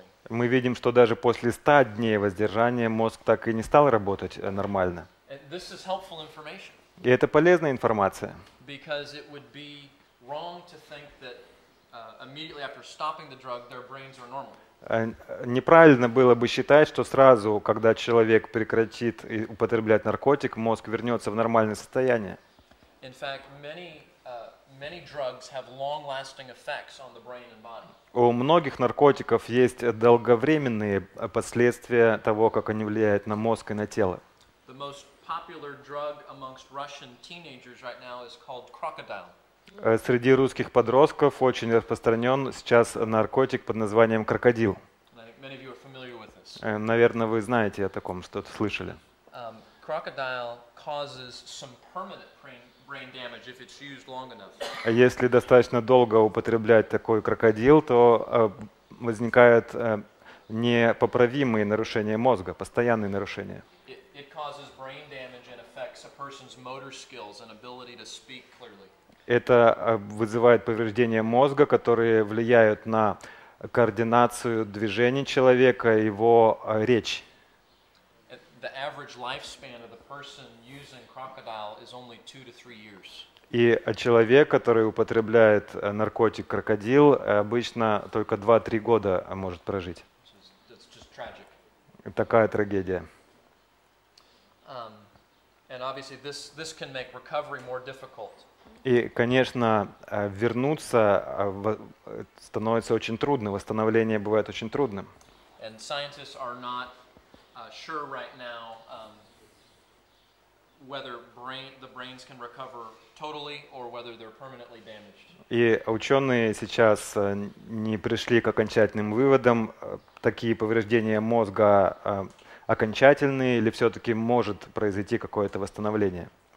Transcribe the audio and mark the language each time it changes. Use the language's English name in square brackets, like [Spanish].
[Russian] Мы видим, что даже после 100 дней воздержания мозг так и не стал работать нормально. И это полезная информация. [English] Because it would be wrong to think that immediately after stopping the drug, their brains are normal. [Russian] Неправильно было бы считать, что сразу, когда человек прекратит употреблять наркотик, мозг вернется в нормальное состояние. [English] In fact, many drugs have long-lasting effects on the brain and body. [Russian] У многих наркотиков есть долговременные последствия того, как они влияют на мозг и на тело. [English] Popular drug amongst Russian teenagers right now is called Crocodile. [Russian] Среди русских подростков очень распространен сейчас наркотик под названием крокодил. [English] Many of you are familiar with this. [Russian] Наверное, вы знаете о таком, что-то слышали. [English] Crocodile causes some permanent brain damage if it's used long enough. [Russian] Если достаточно долго употреблять такой крокодил, то возникают непоправимые нарушения мозга, постоянные нарушения. [English] It causes brain damage and affects a person's motor skills and ability to speak clearly. [Russian] Это вызывает повреждения мозга, которые влияют на координацию движений человека, его речь. [English] The average lifespan of the person using crocodile is only 2 to 3 years. [Russian] И человек, который употребляет наркотик крокодил, обычно только 2-3 года может прожить. [English] That's just tragic. [Russian] Такая трагедия. [English] And obviously this can make recovery more difficult. [Russian] И, конечно, вернуться становится очень трудно, восстановление бывает очень трудным. [English] And scientists are not sure right now whether the brains can recover totally or whether they're permanently damaged. [Russian] И ученые сейчас не пришли к окончательным выводам, такие повреждения мозга окончательный или все-таки может произойти какое-то восстановление.